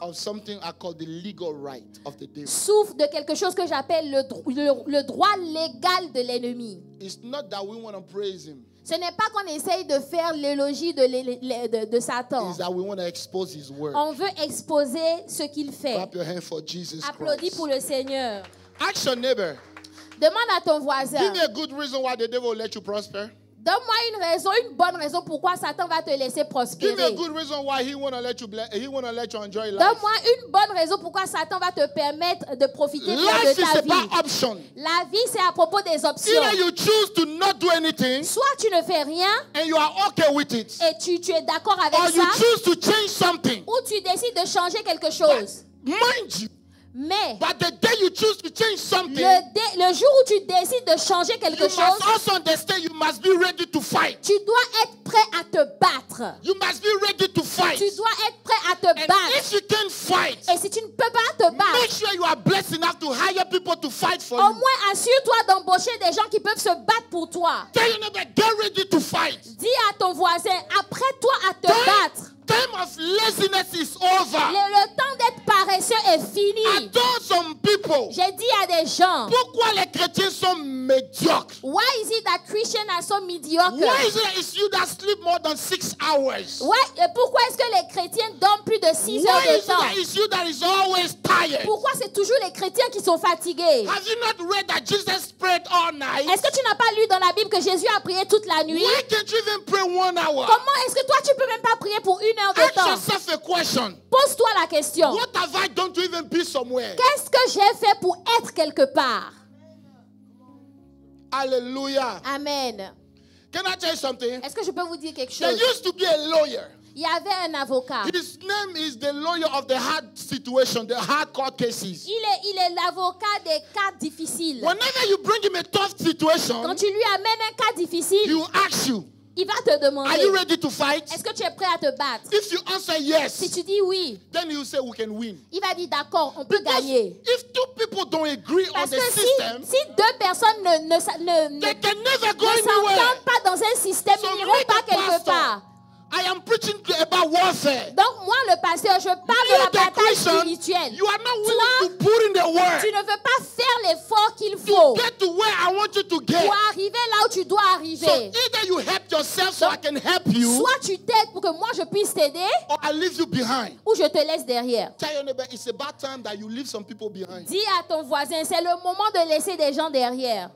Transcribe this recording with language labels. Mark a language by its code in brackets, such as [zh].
[en] of something I call the legal right of the devil. [fr] Souffre de quelque chose que j'appelle le droit légal de l'ennemi. [en] It's not that we want to praise him. [fr] Ce n'est pas qu'on essaye de faire l'élogie de Satan. [en] It's that we want to expose his work. [fr] On veut exposer ce qu'il fait. [en] Clap your hand for Jesus [fr] Christ. Applaudis pour le Seigneur. [en] Ask your neighbor. [fr] Demande à ton voisin. [en] Give me a good reason why the devil let you prosper. [fr] Donne-moi une raison, une bonne raison pourquoi Satan va te laisser prospérer. [en] Give me a good reason why he wanna let you bless, he wanna let you enjoy life. [fr] Donne-moi une bonne raison pourquoi Satan va te permettre de profiter [en] life [fr] de ta vie. [en] Life is about option. [fr] La vie c'est à propos des options. [en] Either you choose to not do anything. [fr] Soit tu ne fais rien. [en] And you are okay with it. [fr] Et tu es d'accord avec [en] or [fr] ça. [en] Or you choose to change something. [fr] Ou tu décides de changer quelque chose. [en] But mind you. [fr] Mais [en] but the day you choose to change something, [fr] le jour où tu décides de changer quelque chose, [en] must also understand you must be ready to fight. [fr] Tu dois être prêt à te battre. [en] You must be ready to fight. [fr] Tu dois être prêt à te [en] and [fr] battre. [en] If you can fight, [fr] et si tu ne peux pas te battre, [en] make sure you are blessed enough to hire people to fight for [fr] au [en] you. [fr] Au moins assure-toi d'embaucher des gens qui peuvent se battre pour toi. [en] Tell your neighbor, get ready to fight. [fr] Dis à ton voisin, apprête-toi à te battre. [en] Time of laziness is over. [fr] Le temps d'être paresseux est fini. [en] I told some people. [fr] J'ai dit à des gens. Pourquoi les chrétiens sont médiocres? [en] Why is it that Christians are so mediocre? Why is it that it's you that sleep more than 6 hours? [fr] Pourquoi est-ce que les chrétiens dorment plus de 6 heures de temps? [en] Why is it that it's you that is always tired? [fr] Pourquoi c'est toujours les chrétiens qui sont fatigués? [en] Have you not read that Jesus prayed all night? [fr] Est-ce que tu n'as pas lu dans la Bible que Jésus a prié toute la nuit? [en] Why can't you even pray 1 hour? [fr] Comment est-ce que toi tu peux même pas prier pour une heure de [en] ask [fr] temps. [en] Yourself a question. [fr] Pose-toi la question. [en] What have I done to even be somewhere? [fr] Qu'est-ce que j'ai fait pour être quelque part? Alléluia. Amen. [en] Can I tell you something? [fr] Est-ce que je peux vous dire quelque chose? [en] There used to be a lawyer. [fr] Il y avait un avocat. [en] His name is the lawyer of the hard situation, the hard court cases. [fr] Il est l'avocat des cas difficiles. [en] Whenever you bring him a tough situation, [fr] quand tu lui amènes un cas difficile, [en] he will ask you. [fr] Il va te demander. [en] Are you ready to fight? [fr] Est-ce que tu es prêt à te battre? [en] If you answer yes, [fr] si tu dis oui, [en] then you say we can win. [fr] Il va dire d'accord, on peut gagner. [en] If two people don't agree on the [fr] system, si deux personnes ne s'entendent pas dans un système, ils n'iront pas quelque part. [en] I am preaching about warfare. [fr] Donc moi le pasteur, je parle [en] you [fr] de la bataille spirituelle. [en] You are not willing to put in the work. [fr] Tu ne veux pas faire l'effort qu'il faut. [en] To get to where I want you to get. [fr] Pour arriver là où tu dois arriver. [en] So either you help yourself so I can help you. [fr] Soit tu t'aides pour que moi je puisse t'aider. [en] Or I leave you behind. [fr] Ou je te laisse derrière. [en] Tell your neighbor, it's about time that you leave some people behind. [fr] Dis à ton voisin, c'est le moment de laisser des gens derrière.